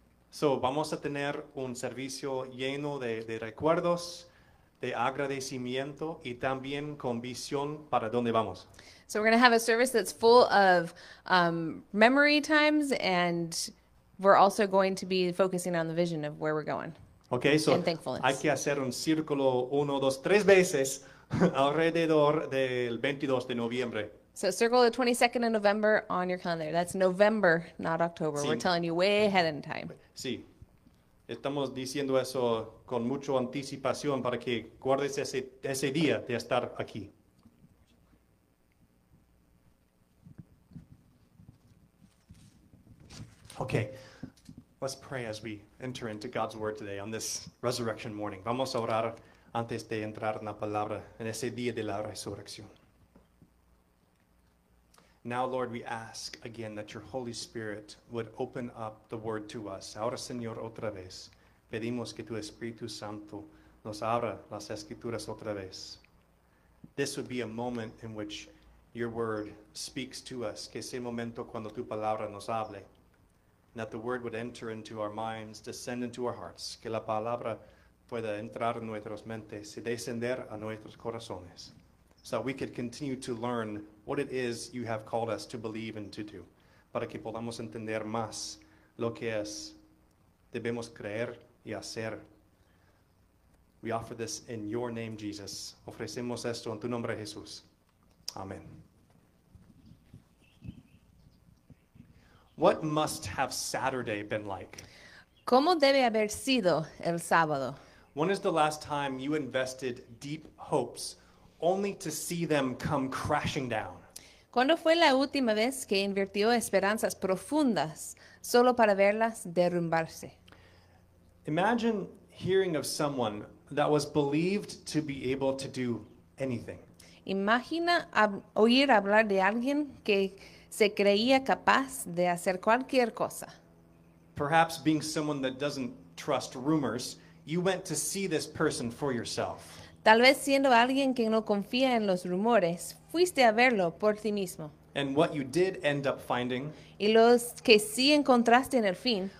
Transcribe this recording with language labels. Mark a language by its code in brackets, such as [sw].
[en] So, [es] vamos a tener un servicio lleno de recuerdos, de agradecimiento y también con visión para dónde vamos. [en] So, we're going to have a service that's full of memory times and we're also going to be focusing on the vision of where we're going. Okay, so and thankfulness. [es] Hay que hacer un círculo uno, dos, tres veces alrededor del 22 de noviembre. [en] So circle the 22nd of November on your calendar. That's November, not October. [es] Sí. [en] We're telling you way ahead in time. [es] Sí. Estamos diciendo eso con mucho anticipación para que guardes ese día de estar aquí. [en] Okay, let's pray as we enter into God's word today on this resurrection morning. [es] Vamos a orar antes de entrar en la palabra en ese día de la resurrección. [en] Now, Lord, we ask again that your Holy Spirit would open up the word to us. [es] Ahora, Señor, otra vez, pedimos que tu Espíritu Santo nos abra las escrituras otra vez. [en] This would be a moment in which your word speaks to us, [es] que es el momento cuando tu palabra nos hable. [en] That the word would enter into our minds, descend into our hearts. [es] Que la palabra pueda entrar en nuestras mentes y descender a nuestros corazones. [en] So we could continue to learn what it is you have called us to believe and to do. [es] Para que podamos entender más lo que es debemos creer y hacer. [en] We offer this in your name, Jesus. [es] Ofrecemos esto en tu nombre, Jesús. [en] Amen. What must have Saturday been like? [es] ¿Cómo debe haber sido el sábado? [en] When is the last time you invested deep hopes only to see them come crashing down? [es] ¿Cuándo fue la última vez que invirtió esperanzas profundas solo para verlas derrumbarse? [en] Imagine hearing of someone that was believed to be able to do anything. [es] Imagina oír hablar de alguien que se creía capaz de hacer cualquier cosa. [en] Perhaps being someone that doesn't trust rumors, you went to see this person for yourself. [es] Tal vez siendo alguien que no confía en los rumores, fuiste a verlo por ti mismo. [en] And what you did end up finding, [es] y los que sí encontraste en el fin,